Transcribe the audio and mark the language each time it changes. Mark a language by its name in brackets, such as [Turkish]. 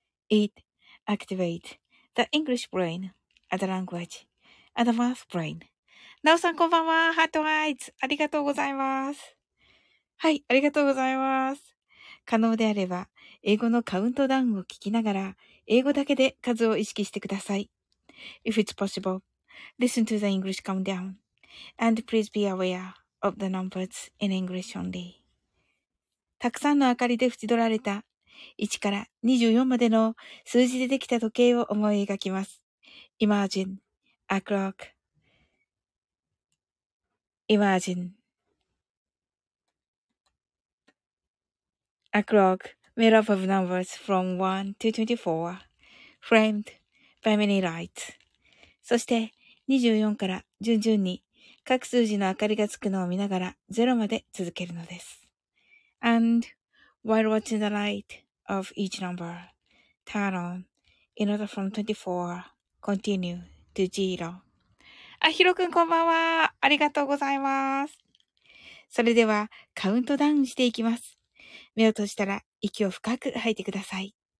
[English] Eat. Activate the English brain, other language, other math brain. [Japanese] なおさんこんばんは。ハートアイズ。ありがとうございます。はい、ありがとうございます。可能であれば、英語のカウントダウンを聞きながら、英語だけで数を意識してください。 [English] If it's possible, listen to the English countdown. And please be aware of the numbers in English only. [Japanese] たくさんの明かりで縁取られた1から24までの数字でできた時計を思い描きます。 [English] Imagine a clock. Imagine a clock made up of numbers from 1 to 24, framed by many lights. [Japanese] そして24から順々に各数字の明かりがつくのを見ながら0まで続けるのです。 [English] And while watching the light,of each number, turn on, in order from 24, continue to zero. [Japanese] あ、ひろくんこんばんは。ありがとうございます。それでは、カウントダウンしていきます。目を閉じたら、息を深く吐いてください。